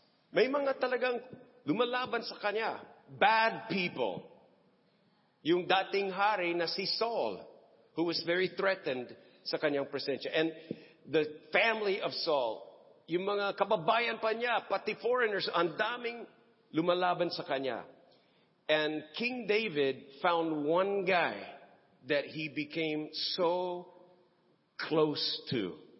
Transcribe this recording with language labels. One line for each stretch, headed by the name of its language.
Filipino: May mga talagang lumalaban sa kanya.
English: Bad people.
Filipino: Yung dating hari na si Saul,
English: who was very threatened
Filipino: sa kanyang presensya.
English: And the family of Saul,
Filipino: yung mga kababayan pa niya, pati foreigners, ang daming lumalaban sa kanya.
English: And King David found one guy that he became so close to.